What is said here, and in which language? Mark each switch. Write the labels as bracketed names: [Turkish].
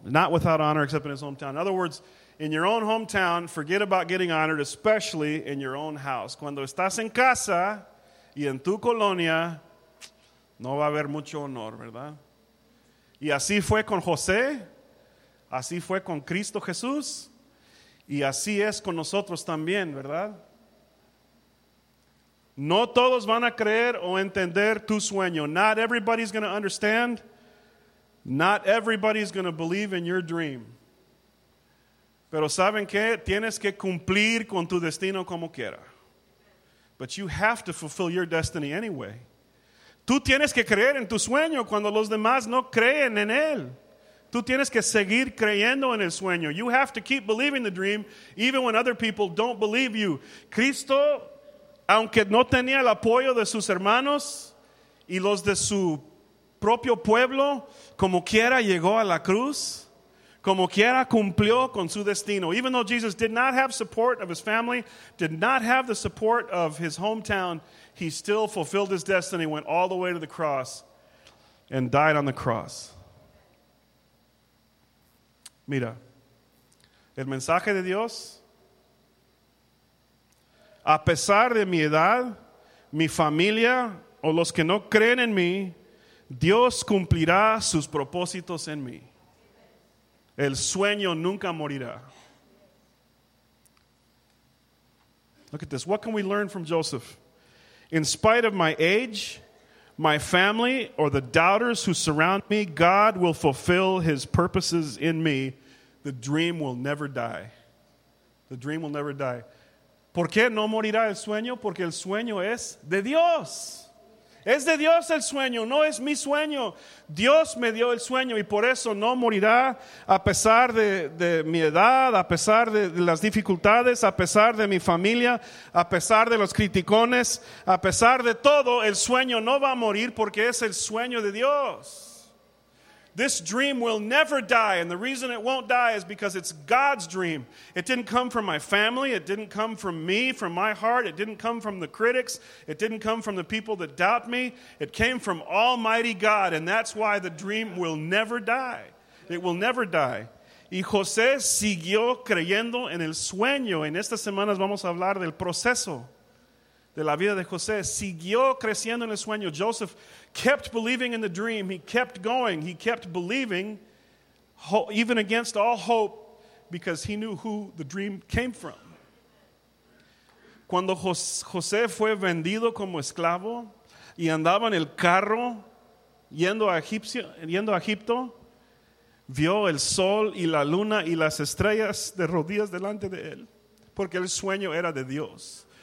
[English] Not without honor except in his hometown. In other words, in your own hometown, forget about getting honored, especially in your own house. [Spanish] Cuando estás en casa y en tu colonia, no va a haber mucho honor, ¿verdad? Y así fue con José, así fue con Cristo Jesús. Y así es con nosotros también, ¿verdad? No todos van a creer o entender tu sueño. [English] Not everybody's going to understand Not everybody's going to believe in your dream. [Spanish] Pero ¿saben qué? Tienes que cumplir con tu destino como quiera. [English] But you have to fulfill your destiny anyway. [Spanish] Tú tienes que creer en tu sueño cuando los demás no creen en él. Tú tienes que seguir creyendo en el sueño. [English] You have to keep believing the dream even when other people don't believe you. [Spanish] Cristo, aunque no tenía el apoyo de sus hermanos y los de su propio pueblo, como quiera llegó a la cruz, como quiera cumplió con su destino. [English] Even though Jesus did not have support of his family, did not have the support of his hometown, he still fulfilled his destiny, went all the way to the cross, and died on the cross. [Spanish] Mira, el mensaje de Dios, a pesar de mi edad, mi familia, o los que no creen en mí, Dios cumplirá sus propósitos en mí. El sueño nunca morirá. [English] Look at this. What can we learn from Joseph? In spite of my age, my family, or the doubters who surround me, God will fulfill his purposes in me. The dream will never die. The dream will never die. [Spanish] ¿Por qué no morirá el sueño? Porque el sueño es de Dios. Es de Dios el sueño, no es mi sueño. Dios me dio el sueño y por eso no morirá a pesar de mi edad, a pesar de las dificultades, a pesar de mi familia, a pesar de los criticones, a pesar de todo, el sueño no va a morir porque es el sueño de Dios. [English] This dream will never die, and the reason it won't die is because it's God's dream. It didn't come from my family, it didn't come from me, from my heart, it didn't come from the critics, it didn't come from the people that doubt me, it came from Almighty God, and that's why the dream will never die. It will never die. [Spanish] Y José siguió creyendo en el sueño. En estas semanas vamos a hablar del proceso de la vida de José. Siguió creciendo en el sueño. [English] Joseph kept believing in the dream. He kept going. He kept believing, even against all hope, because he knew who the dream came from. [Spanish] Cuando José fue vendido como esclavo y andaba en el carro yendo a Egipto, vio el sol y la luna y las estrellas de rodillas delante de él, porque el sueño era de Dios.